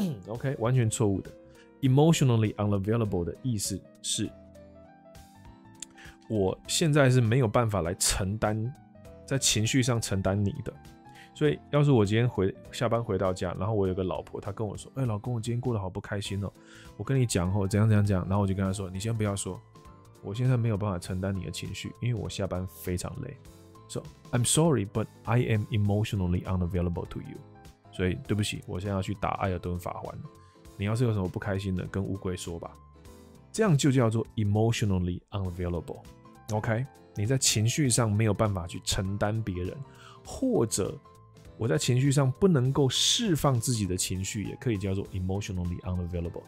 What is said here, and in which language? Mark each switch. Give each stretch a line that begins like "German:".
Chinese: OK， 完全错误的。Emotionally unavailable 的意思是，我现在是没有办法来承担，在情绪上承担你的。所以，要是我今天下班回到家，然后我有个老婆，她跟我说：“哎、欸，老公，我今天过得好不开心哦。” 我跟你讲后怎样怎样怎样，然后我就跟她说：“你先不要说。” 我现在没有办法承担你的情绪，因为我下班非常累。
English: So I'm sorry, but I am emotionally unavailable to you.
Chinese: 所以对不起，我现在要去打艾尔顿法环。你要是有什么不开心的，跟乌龟说吧。这样就叫做 emotionally unavailable. OK， 你在情绪上没有办法去承担别人，或者我在情绪上不能够释放自己的情绪，也可以叫做 emotionally unavailable。